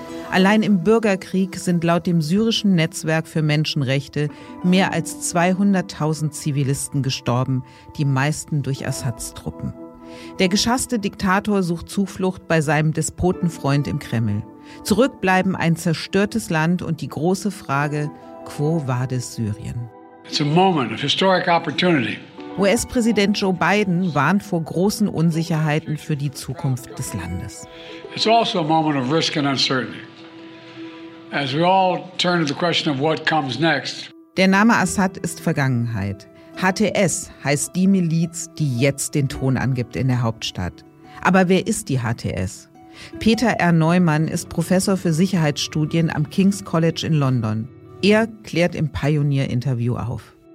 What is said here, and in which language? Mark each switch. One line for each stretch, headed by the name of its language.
German: Allein im Bürgerkrieg sind laut dem syrischen Netzwerk für Menschenrechte mehr als 200.000 Zivilisten gestorben, die meisten durch Assads Truppen. Der geschasste Diktator sucht Zuflucht bei seinem Despotenfreund im Kreml. Zurückbleiben ein zerstörtes Land und die große Frage, quo vadis Syrien?
English: It's a moment of historic opportunity.
German: US-Präsident Joe Biden warnt vor großen Unsicherheiten für die Zukunft des Landes.
English: It's also a moment of risk and uncertainty. As we all turn to the question of what comes next.
German: Der Name Assad ist Vergangenheit. HTS heißt die Miliz, die jetzt den Ton angibt in der Hauptstadt. Aber wer ist die HTS? Peter R. Neumann ist Professor für Sicherheitsstudien am King's College in London. Er klärt im Pioneer-Interview auf.